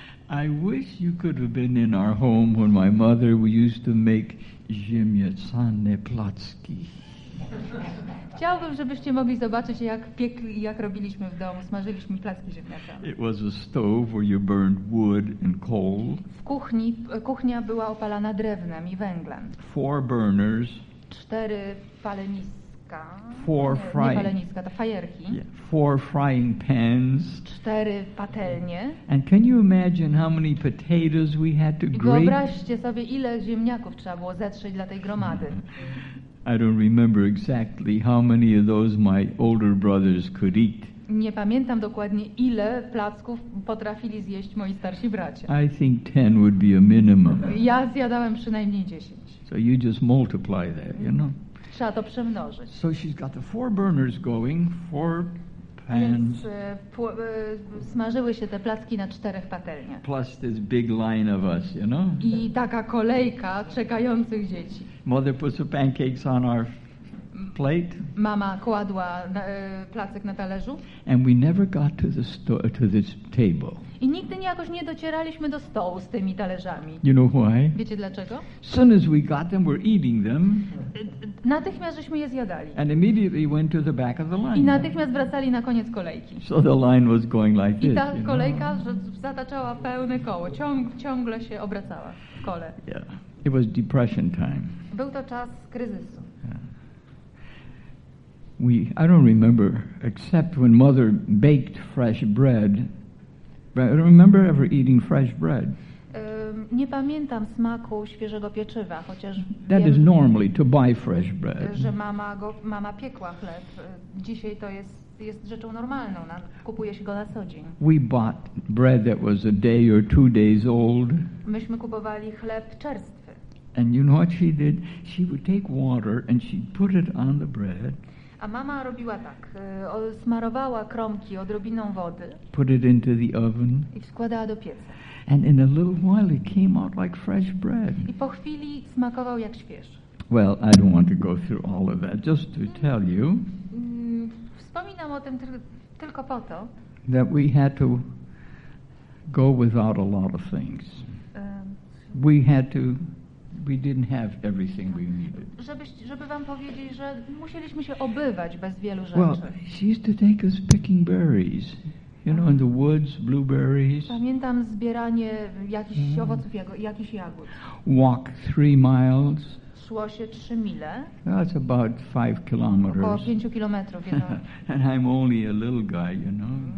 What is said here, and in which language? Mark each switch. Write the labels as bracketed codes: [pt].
[en] I wish you could have been in our home when my mother we used to make [pl] ziemniaczane placki. Chciałbym, żebyście mogli zobaczyć, jak robiliśmy w domu, smażyliśmy placki ziemniaczane. [en] It was a stove where you burned wood and coal. [pl] W kuchni, kuchnia była opalana drewnem i węglem. [en] Four burners. [pl] Cztery paleniska. [en] Four [pl] nie paleniska, to fajerki. Yeah. [en] Four frying pans. [pl] Cztery patelnie. [en] And can you imagine how many potatoes we had to grate? [pl] Wyobraźcie sobie, ile ziemniaków trzeba było zetrzeć dla tej gromady. [en] I don't remember exactly how many of those my older brothers could eat. [pl] Nie pamiętam dokładnie, ile placków potrafili zjeść moi starsi bracia. [en] I think 10 would be a minimum. [pl] Ja zjadałem przynajmniej 10. [en] So you just multiply that, you know? [pl] Trzeba to przemnożyć. [en] So she's got the four burners going, four pans. [pl] Smażyły się te placki na czterech patelniach. [en] Plus this big line of us, you know? [pl] I taka kolejka czekających dzieci. [en] Mother puts the pancakes on our plate. [pl] Mama kładła placek na talerzu. [en] And we never got to the to this table. [pl] I nigdy jakoś nie docieraliśmy do stołu z tymi talerzami. [en] You know why? [pl] Wiecie dlaczego? [en] Soon as we got them, we're eating them. [pl] Natychmiast żeśmy je zjadali. [en] And immediately went to the back of the line. [pl] I natychmiast wracali na koniec kolejki. [en] So the line was going like this. [pl] I ta kolejka zataczała pełne koło, ciągle się obracała w kole. [en] Yeah. It was depression time. [pl] Był to czas kryzysu. [en] I don't remember, except when mother baked fresh bread. I don't remember ever eating fresh bread. [pl] Nie pamiętam smaku świeżego pieczywa, chociaż [en] that [pl] wiem, [en] is normally to buy fresh bread. [pl] Że mama piekła chleb. Dzisiaj to jest rzeczą normalną. Kupuje się go na co dzień. [en] We bought bread that was a day or two days old. [pl] Myśmy kupowali chleb czerstwy. [en] And you know what she did? She would take water and she'd put it on the bread. [pl] A mama robiła tak, smarowała kromki odrobiną wody. [en] Put it into the oven. [pl] I wkładała do pieca. [en] And in a little while it came out like fresh bread. [pl] I po chwili smakował jak świeży. [en] Well, I don't want to go through all of that, just to tell you. [pl] Wspominam o tym tylko po to, [en] that we had to go without a lot of things. We didn't have everything we needed. [pl] Żeby wam powiedzieć, że musieliśmy się obywać bez wielu rzeczy. [en] Well, she used to take us picking berries, you know, in the woods, blueberries. [pl] Pamiętam zbieranie jakichś owoców, jakichś jagód. [en] Walk 3 miles. [pl] Szło się 3 mile. [en] That's about 5 kilometers. [pl] Około 5 kilometrów. [en] And I'm only a little guy, you know.